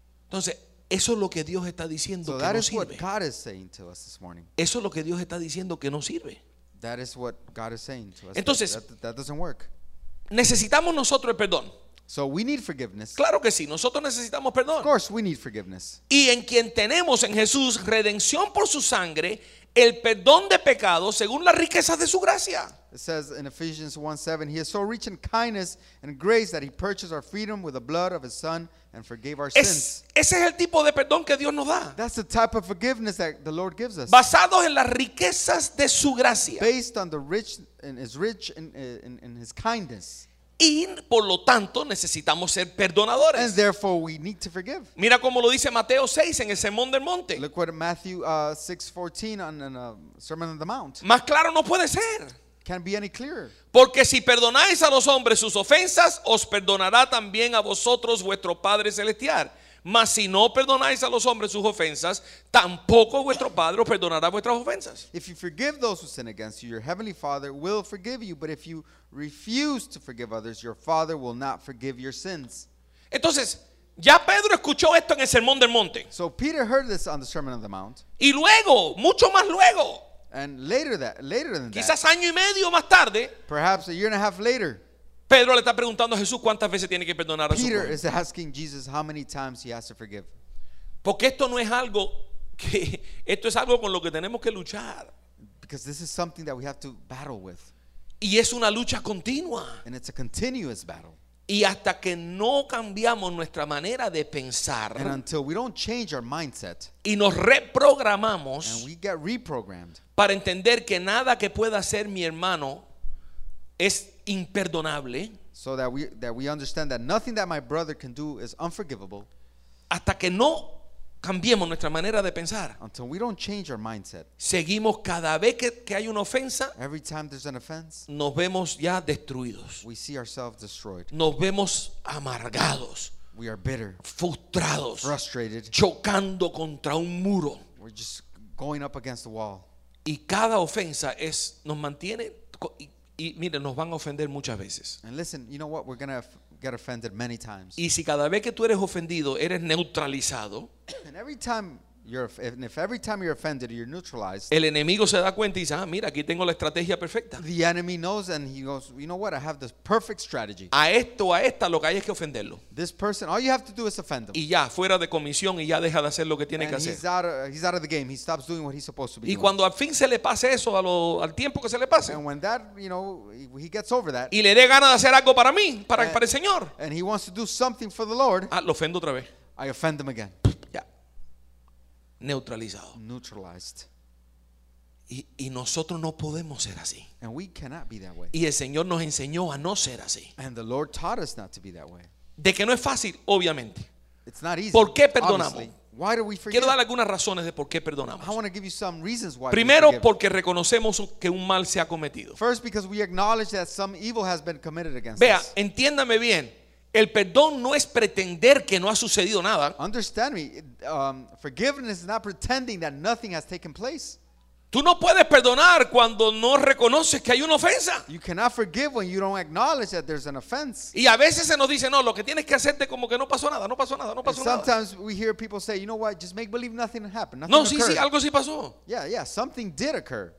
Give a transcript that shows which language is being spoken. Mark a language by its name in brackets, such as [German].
[Spanish] Entonces, eso es lo que Dios está diciendo [English] so [Spanish] que no [English] That is what God is saying to us this morning. [Spanish] Eso es lo que Dios está diciendo que no sirve. [English] That is what God is saying to us. [Spanish] Entonces, [English] that doesn't work. [Spanish] Necesitamos nosotros el perdón. [English] So we need forgiveness. [Spanish] Claro que sí, nosotros necesitamos perdón. [English] Of course we need forgiveness. [Spanish] Y en quien tenemos en Jesús redención por su sangre, el perdón de pecados según las riquezas de su gracia. [English] It says in Ephesians 1:7, he is so rich in kindness and grace that he purchased our freedom with the blood of his son and forgave our sins. [Spanish] Ese es el tipo de perdón que Dios nos da. [English] That's the type of forgiveness that the Lord gives us. [Spanish] Basado en las riquezas de su gracia. [English] Based on the rich and is rich in his kindness. [Spanish] Y por lo tanto necesitamos ser perdonadores. [English] And therefore we need to forgive. [Spanish] Mira como lo dice Mateo 6 en el Sermón del Monte. [English] Look what Matthew 6:14 on Sermon on the Mount. [Spanish] Más claro no puede ser. [English] Can't be any clearer. [Spanish] Porque si perdonáis a los hombres sus ofensas, os perdonará también a vosotros vuestro Padre Celestial. Mas si no perdonáis a los hombres sus ofensas, tampoco vuestro Padre os perdonará vuestras ofensas. [English] If you forgive those who sin against you, your heavenly Father will forgive you. But if you refuse to forgive others, your Father will not forgive your sins. [Spanish] Entonces, ya Pedro escuchó esto en el Sermón del Monte. [English] So Peter heard this on the Sermon on the Mount. [Spanish] Y luego, mucho más luego. [English] And later than that. [Spanish] Quizás año y medio más tarde. [English] Perhaps a year and a half later. [Spanish] Pedro le está preguntando a Jesús cuántas veces tiene que perdonar a su pueblo. [English] Peter is asking Jesus how many times he has to forgive. [Spanish] Porque esto no es algo que esto es algo con lo que tenemos que luchar. [English] Because this is something that we have to battle with. [Spanish] Y es una lucha continua. [English] And it's a continuous battle. [Spanish] Y hasta que no cambiamos nuestra manera de pensar. [English] And until we don't change our mindset. [Spanish] Y nos reprogramamos. [English] And we get reprogrammed. [Spanish] Para entender que nada que pueda hacer mi hermano es imperdonable. [English] So that we understand that nothing that my brother can do is unforgivable. [Spanish] Hasta que no cambiemos nuestra manera de pensar. [English] Until we don't change our mindset. [Spanish] Seguimos cada vez que hay una ofensa. [English] Every time there's an offense. [Spanish] Nos vemos ya destruidos. [English] We see ourselves destroyed. [Spanish] Nos vemos amargados. [English] We are bitter. [Spanish] Frustrados. [English] Frustrated. [Spanish] Chocando contra un muro. [English] We're just going up against the wall. [Spanish] Y cada ofensa nos mantiene Y mire, nos van a ofender muchas veces. [English] And listen, you know what? We're going to get offended many times. [Spanish] Y si cada vez que tú eres ofendido, eres neutralizado, [English] and every time you're, and if every time you're offended, you're neutralized, [Spanish] el enemigo se da cuenta y dice, ah, mira, aquí tengo la estrategia perfecta. [English] The enemy knows and he goes, you know what? I have this perfect strategy. [Spanish] A esto, a esta, lo que hay es que ofenderlo. [English] This person, all you have to do is offend him. [Spanish] Y ya, fuera de comisión y ya deja de hacer lo que tiene [English] and [Spanish] que hacer. [English] He's out of the game. He stops doing what he's supposed to be [Spanish] y [English] doing. [Spanish] Y cuando al fin se le pase eso, a lo, al tiempo que se le pase. [English] And when that, you know, he gets over that. [Spanish] Y le dé ganas de hacer algo para mí, para, and, para el Señor. [English] And he wants to do something for the Lord. [Spanish] Ah, lo ofendo otra vez. [English] I offend him again. [Spanish] Neutralizado. [English] Neutralized. [Spanish] Y nosotros no podemos ser así. [English] And we cannot be that way. [Spanish] Y el Señor nos enseñó a no ser así. [English] And the Lord taught us not to be that way. [Spanish] De que no es fácil, obviamente. [English] It's not easy. [Spanish] ¿Por qué perdonamos? [English] Obviously. Why do we forgive? [Spanish] Quiero dar algunas razones de por qué perdonamos. [English] I want to give you some reasons why. [Spanish] Primero, porque reconocemos que un mal se ha cometido. [English] First, because we acknowledge that some evil has been committed against [Spanish] Vea, [English] us. [Spanish] Vea, entiéndame bien. El perdón no es pretender que no ha sucedido nada. [English] Understand me, forgiveness is not pretending that nothing has taken place. [Spanish] Tú no puedes perdonar cuando no reconoces que hay una ofensa. [English] You cannot forgive when you don't acknowledge that there's an offense. [Spanish] Y a veces se nos dice, no, lo que tienes que hacerte como que no pasó nada, no pasó nada, no pasó nada. [English] Sometimes we hear people say, you know what, just make believe nothing happened, nothing occurred. [Spanish] No, sí, sí, algo sí pasó. [English] Yeah, something did occur.